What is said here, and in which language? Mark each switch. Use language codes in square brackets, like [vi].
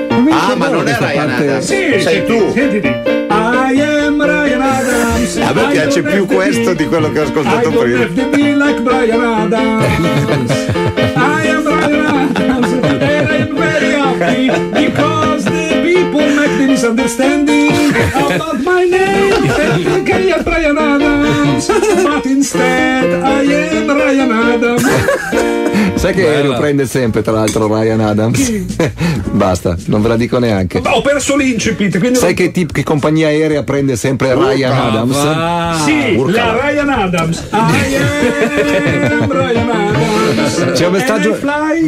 [it] Ah, ma non è Ryan Adams, sì, lo sei tu. Sentiti. [en] I am Ryan Adams. [it] A me piace più questo di quello che ho ascoltato prima. [en] I don't have to be like Ryan Adams. I am Ryan Adams and I am very happy because the people make the misunderstanding about my name. I am Ryan Adams, but instead I am Ryan Adams. [it] Sai che lo prende sempre, tra l'altro, Ryan Adams? Basta, non ve la dico neanche. Ma ho perso l'incipit. Quindi sai che tipo, che compagnia aerea prende sempre Ryan Adams? Sì, Urca. La Ryan Adams. [en] I am Ryan Adams.